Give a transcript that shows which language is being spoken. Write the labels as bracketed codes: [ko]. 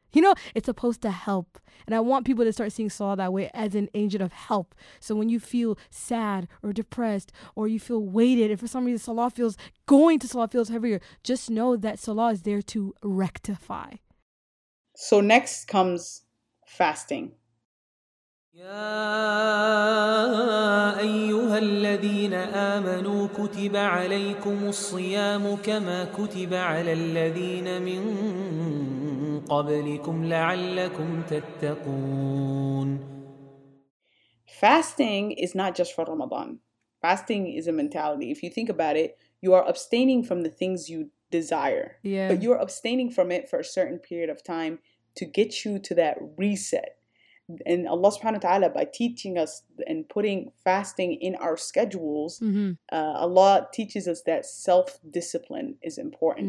[en] You know, it's supposed to help. And I want people to start seeing salah that way, as an agent of help. So when you feel sad or depressed, or you feel weighted, and for some reason going to salah feels heavier, just know that salah is there to rectify. So next comes fasting. [ar] يا أيها الذين آمنوا كتب عليكم الصيام كما كتب على الذين من قبلكم لعلكم تتقون. [en] Fasting is not just for Ramadan. Fasting is a mentality. If you think about it, you are abstaining from the things you desire. Yeah. But you're abstaining from it for a certain period of time to get you to that reset. And Allah subhanahu wa ta'ala, by teaching us and putting fasting in our schedules, Allah teaches us that self-discipline is important.